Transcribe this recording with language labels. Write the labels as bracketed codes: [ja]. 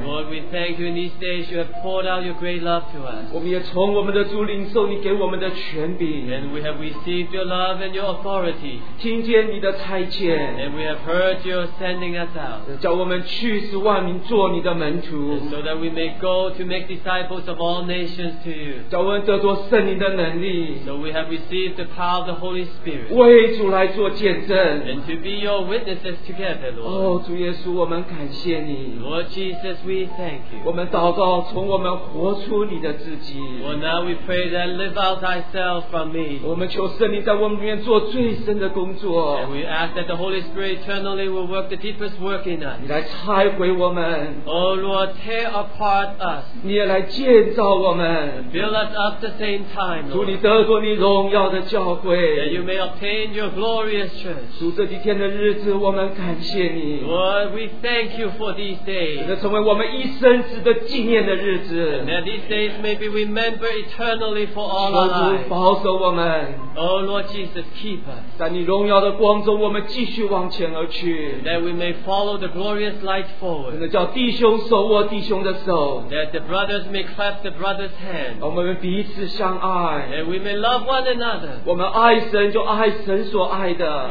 [en] Lord, we thank you in these days you have poured out your great love to us. [zh] 我们也从我们的主领受你给我们的权柄。 [en] And we have received your love and your authority. [zh] 听见你的差遣。 [en] And we have heard your sending us out. [zh] 叫我们去使万民做你的门徒。 [en] So that we may go to make disciples of all nations to you. [zh] 叫我们得着圣灵的能力。 [en] So we have received the power of the Holy Spirit. [zh] 为主来做见证。 [en] And to be your witnesses together, Lord. [zh] 哦，主耶稣，我们感谢你。 [en] Lord Jesus, we thank you. [zh] 我们祷告，从我们活出你的自己。 [en] Well, now we pray that live out thyself from me. [zh] 我们求圣灵在我们里面做最深的工作。 [en] And we ask that the Holy Spirit eternally will work the deepest work in us. [zh] 你来拆毁我们。 [en] Oh Lord, tear apart us. [zh] 你也来建造我们。 [en] And build us up the same time, Lord. [zh] 主，你得着你荣耀的教会。 [en] That you may obtain your glorious church. [zh] 主，这几天的日子，我们感谢你。 [en] Lord, we thank you for these days. [zh] 这成为我们一生值得纪念的日子。 [en] And that these days may be remembered eternally for all our lives. [zh] 求主保守我们。 [en] Oh Lord Jesus, keep us. [zh] 在你荣耀的光中，我们继续往前而去。 [en] That we may follow the glorious light forward. [zh] 叫弟兄手握弟兄的手。 [en] That the brothers may clasp the brother's hand. [zh] 我们彼此相爱。 [en] And we may love one another. [zh] 我们爱神就爱神所爱的。